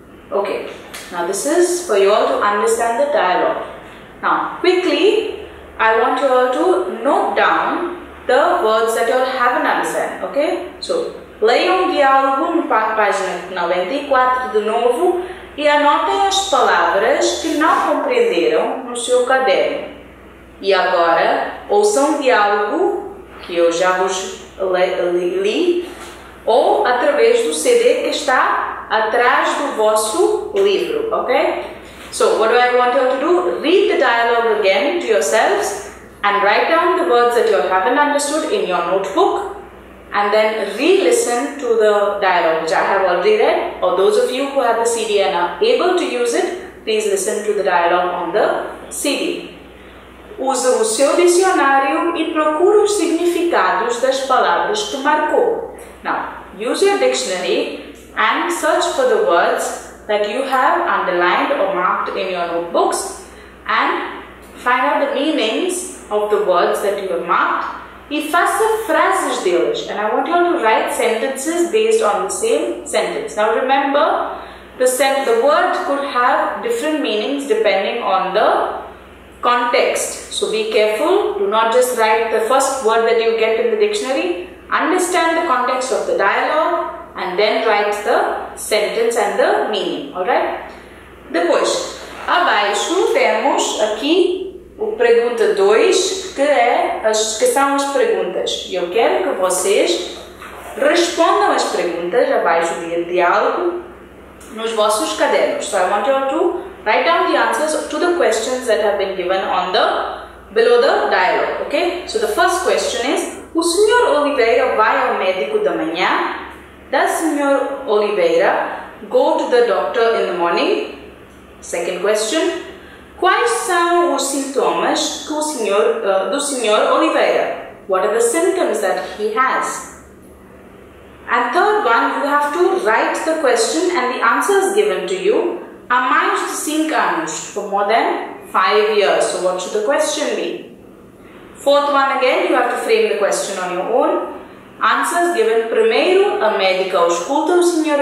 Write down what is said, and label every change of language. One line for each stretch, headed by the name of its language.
English: Ok, now this is for you all to understand the dialogue. Now, quickly, I want you all to note down the words that you all haven't understand, ok?
Portuguese: So, leiam o diálogo no página 94 de novo. E anotem as palavras que não compreenderam no seu caderno. E agora, ouçam o diálogo que eu já vos li ou através do CD que está atrás do vosso livro, ok?
English: So, what do I want you to do? Read the dialogue again to yourselves and write down the words that you haven't understood in your notebook. And then re-listen to the dialogue which I have already read. Or those of you who have the CD and are able to use it, please listen to the dialogue on the CD.
Portuguese: Use o seu dicionário e procure os significados das palavras que marcou.
English: Now, use your dictionary and search for the words that you have underlined or marked in your notebooks and find out the meanings of the words that you have marked.
Portuguese: E faça frases deles.
English: And I want you all to write sentences based on the same sentence. Now remember, the word could have different meanings depending on the context. So be careful. Do not just write the first word that you get in the dictionary. Understand the context of the dialogue and then write the sentence and the meaning.
Portuguese: Alright? Depois, abaixo temos aqui o pergunta 2. Que são as perguntas. Eu quero que vocês respondam as perguntas abaixo do diálogo nos vossos cadernos.
English: So I want you all to write down the answers to the questions that have been given on the below the dialogue, ok? So the first question is,
Portuguese: o Sr. Oliveira vai ao médico da manhã?
English: Does Sr. Oliveira go to the doctor in the morning? Second question,
Portuguese: quais são os sintomas do senhor Oliveira?
English: What are the symptoms that he has? And third one, you have to write the question and the answers given to you
Portuguese: há mais de 5 anos,
English: for more than 5 years. So what should the question be? Fourth one again, you have to frame the question on your own.
Portuguese: Antes, devem primeiro a médica ausculta o Sr.